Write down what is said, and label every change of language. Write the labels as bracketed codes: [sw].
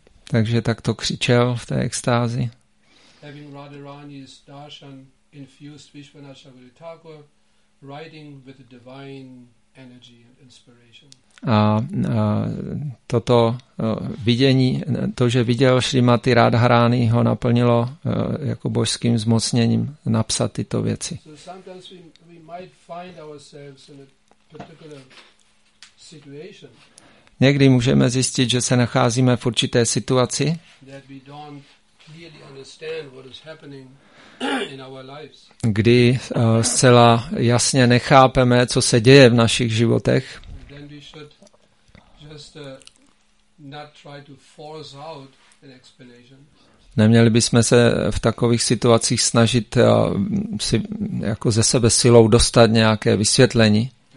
[cs] Takže tak to křičel v té extázi. [en] Having Radharani's darshan infused Vishvanath Chakravarti Thakur, writing with divine energy and inspiration. [cs] Vidění, to, že viděl Srimati Radharani, ho naplnilo jako božským zmocněním napsat tyto věci. [en] So sometimes we might find ourselves in a particular situation. [cs] Někdy můžeme zjistit, že se nacházíme v určité situaci, [en] that we don't clearly understand what is happening in our lives. [cs] Kdy zcela jasně nechápeme, co se děje v našich životech. [en] Then we should just not try to force out an explanation. [cs] Neměli bychom se v takových situacích snažit si jako ze sebe silou dostat nějaké vysvětlení.